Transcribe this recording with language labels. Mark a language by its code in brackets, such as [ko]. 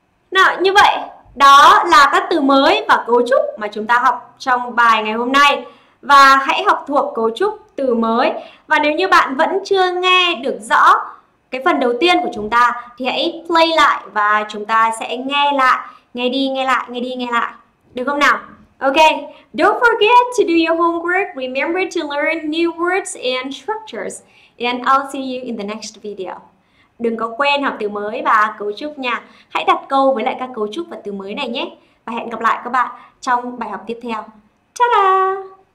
[vi] Nào, như vậy, đó là các từ mới và cấu trúc mà chúng ta học trong bài ngày hôm nay. Và hãy học thuộc cấu trúc từ mới. Và nếu như bạn vẫn chưa nghe được rõ cái phần đầu tiên của chúng ta thì hãy play lại và chúng ta sẽ nghe lại, nghe đi, nghe lại, nghe đi, nghe lại. Được không nào? [en] Ok, don't forget to do your homework. Remember to learn new words and structures. And I'll see you in the next video. [vi] Đừng có quên học từ mới và cấu trúc nha. Hãy đặt câu với lại các cấu trúc và từ mới này nhé. Và hẹn gặp lại các bạn trong bài học tiếp theo. Ta-da!